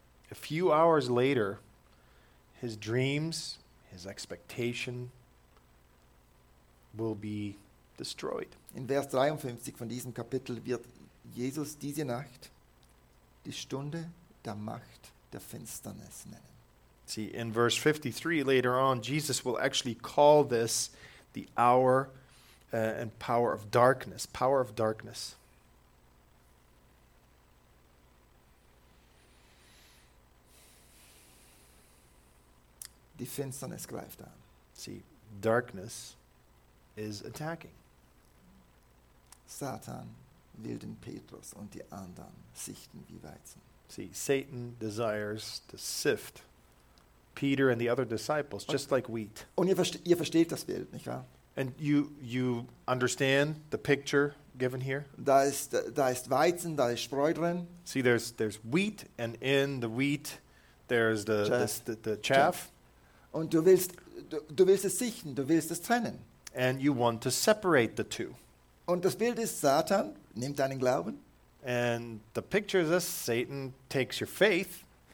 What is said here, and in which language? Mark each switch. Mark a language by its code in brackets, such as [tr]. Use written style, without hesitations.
[en] A few hours later, his dreams, his expectation will be destroyed. [de] In Vers 53 von diesem Kapitel wird Jesus diese Nacht die Stunde der Macht der Finsternis nennen. [en] See, in verse 53 later on, Jesus will actually call this the hour and power of darkness. Power of darkness. [de] Die Finsternis greift an. [en] See, darkness is attacking. [de] Satan will den Petrus und die anderen sichten wie Weizen. [en] See, Satan desires to sift Peter and the other disciples just like wheat. [de] Und ihr versteht das Bild, nicht wahr? [en] And you understand the picture given here? [de] Da ist Weizen, da ist Spreu drin. [en] See, there's wheat, and in the wheat there's the chaff. [de] Und du willst du willst es sichten, du willst es trennen. [en] And you want to separate the two. [de] Und das Bild ist Satan nimmt deinen Glauben. [en] And the picture is this, Satan takes your faith.